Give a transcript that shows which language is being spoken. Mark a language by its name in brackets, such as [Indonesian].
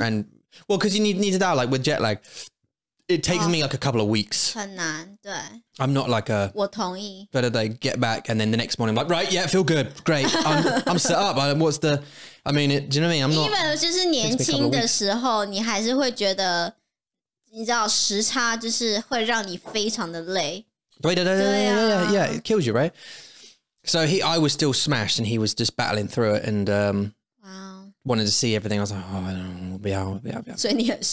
[English] And well, because you need to know, like with jet lag, it takes me like a couple of weeks. [Chinese] 很难, [English] I'm not like a. [Chinese] 我同意. [English] But they get back and then the next morning, I'm like right, yeah, feel good, great. I'm set up. What's the? I mean, it, do you know what I mean? I'm not. [Chinese] Even 就是年轻的时候，你还是会觉得，你知道时差就是会让你非常的累。 [English] Yeah, it kills you, right? So I was still smashed and he was just battling through it and wanted to see everything. I was like, oh, I don't know,